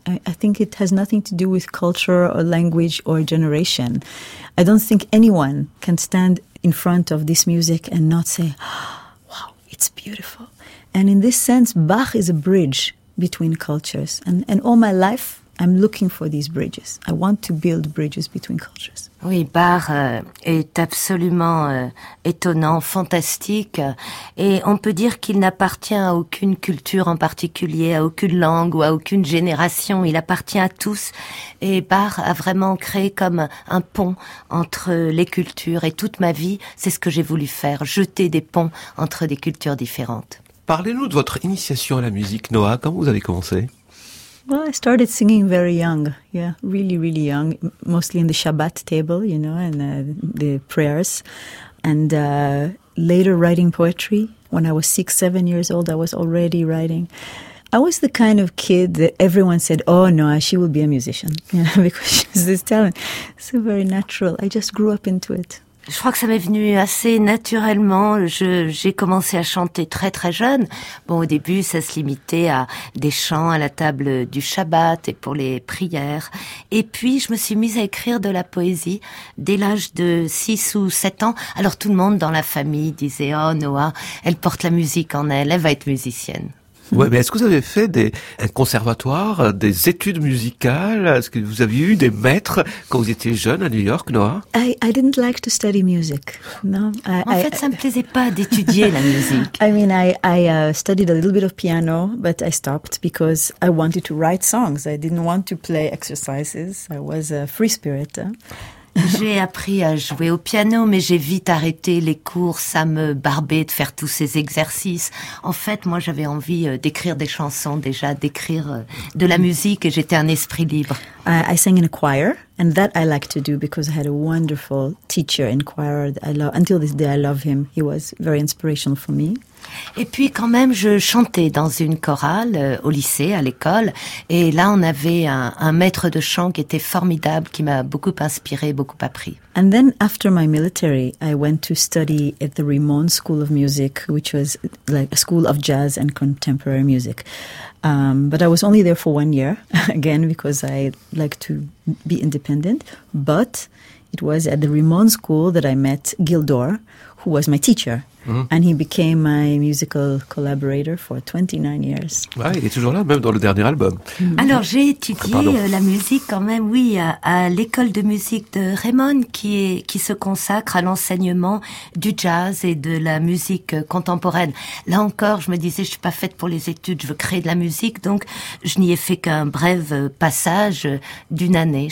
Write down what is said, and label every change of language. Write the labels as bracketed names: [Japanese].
[English] I think it has nothing to do with culture or language or generation. I don't think anyone can stand in front of this music and not say, wow, it's beautiful. And in this sense, Bach is a bridge between cultures. And all my life, I'm looking for these bridges. I want to build bridges between cultures. [French] Oui, Bach est absolument étonnant, fantastique, et on peut dire qu'il n'appartient à aucune culture en particulier, à aucune langue ou à aucune génération. Il appartient à tous, et Bach a vraiment créé comme un pont entre les cultures. Et toute ma vie, c'est ce que j'ai voulu faire, jeter des ponts entre des cultures différentes. Parlez-nous de votre initiation à la musique, Noah. Comment vous avez commencé? [English] Well, I started singing very young, yeah, really, really young, mostly in the Shabbat table, you know, and the prayers, and later writing poetry. When I was 6, 7 years old, I was already writing. I was the kind of kid that everyone said, oh, no, she will be a musician, you know, because she's this talent. So very natural. I just grew up into it. [French] Je crois que ça m'est venu assez naturellement. J'ai commencé à chanter très très jeune. Bon, au début, ça se limitait à des chants à la table du Shabbat et pour les prières. Et puis, je me suis mise à écrire de la poésie dès l'âge de 6 ou 7 ans. Alors, tout le monde dans la famille disait, oh, Noah, elle porte la musique en elle, elle va être musicienne. Ouais, mais est-ce que vous avez fait un conservatoire, des études musicales? Est-ce que vous aviez eu des maîtres quand vous étiez jeune à New York, Noah? [English] I didn't like to study music. No. [French] En fait, ça me plaisait pas d'étudier la musique. [English] I mean, I studied a little bit of piano, but I stopped because I wanted to write songs. I didn't want to play exercises. I was a free spirit. [French] J'ai appris à jouer au piano, mais j'ai vite arrêté les cours. Ça me barbait de faire tous ces exercices. En fait, moi, j'avais envie d'écrire des chansons déjà, d'écrire de la musique, et j'étais un esprit libre. [English] I sang in a choir, and that I like to do because I had a wonderful teacher in choir. Until this day, I love him. He was very inspirational for me. [French] Et puis quand même, je chantais dans une chorale au lycée, à l'école. Et là, on avait un maître de chant qui était formidable, qui m'a beaucoup inspirée, beaucoup appris. [English] And then after my military, I went to study at the Raymond School of Music, which was like a school of jazz and contemporary music. But I was only there for 1 year, again, because I like to be independent. But it was at the Raymond School that I met Gildor, who was my teacher. Mm-hmm. And he became my musical collaborator for 29 years. [French] Ouais, il est toujours là, même dans le dernier album. Mm-hmm. Alors, j'ai étudié la musique quand même, oui, à l'école de musique de Raymond, qui se consacre à l'enseignement du jazz et de la musique contemporaine. Là encore, je me disais, je suis pas faite pour les études, je veux créer de la musique, donc je n'y ai fait qu'un bref passage d'une année.